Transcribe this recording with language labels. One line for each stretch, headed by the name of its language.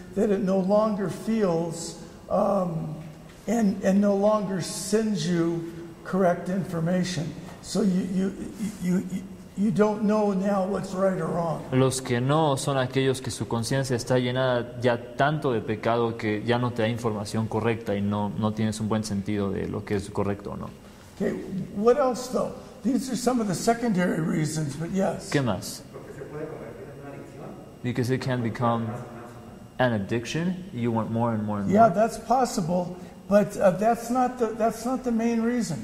English: that it no longer feels and no longer sends you correct information. So you don't know now what's right or wrong.
Spanish: Los que no son aquellos que su conciencia está llena ya tanto de pecado que ya no te da información correcta y no tienes un buen sentido de lo que es correcto o no.
English: Okay, what else though? These are some of the secondary reasons, but yes.
Spanish: ¿Qué más?
English: Because it can become an addiction. You want more and more and more. Yeah, that's possible, but that's not the main reason.